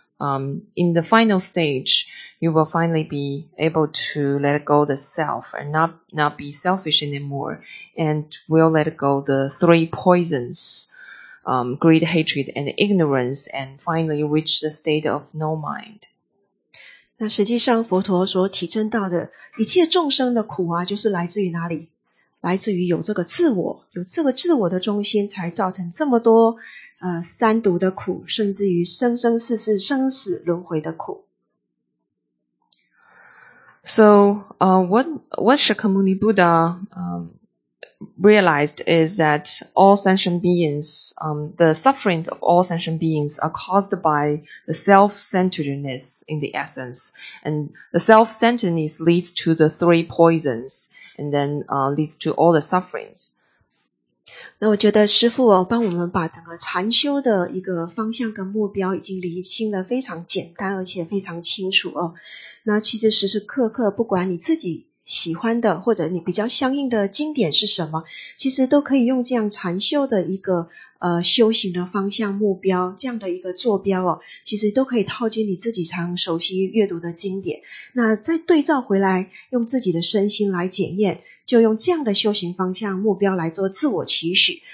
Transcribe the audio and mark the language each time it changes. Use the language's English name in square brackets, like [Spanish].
[English] In the final stage, you will finally be able to let go the self and not be selfish anymore, and will let go the three poisons, greed, hatred, and ignorance, and finally reach the state of no mind. [Chinese] 那实际上佛陀所提证到的一切众生的苦啊，就是来自于哪里？来自于有这个自我，有这个自我的中心，才造成这么多三毒的苦，甚至于生生世世生死轮回的苦。 [English] So, what Shakyamuni Buddha realized is that all sentient beings, the sufferings of all sentient beings are caused by the self-centeredness in the essence. And the self-centeredness leads to the three poisons and then leads to all the sufferings. [Chinese] 那我觉得师父哦，帮我们把整个禅修的一个方向跟目标已经理清了，非常简单而且非常清楚哦。那其实时时刻刻，不管你自己喜欢的或者你比较相应的经典是什么，其实都可以用这样禅修的一个修行的方向目标这样的一个坐标哦，其实都可以套进你自己常熟悉阅读的经典，那再对照回来用自己的身心来检验，就用这样的修行方向目标来做自我期许。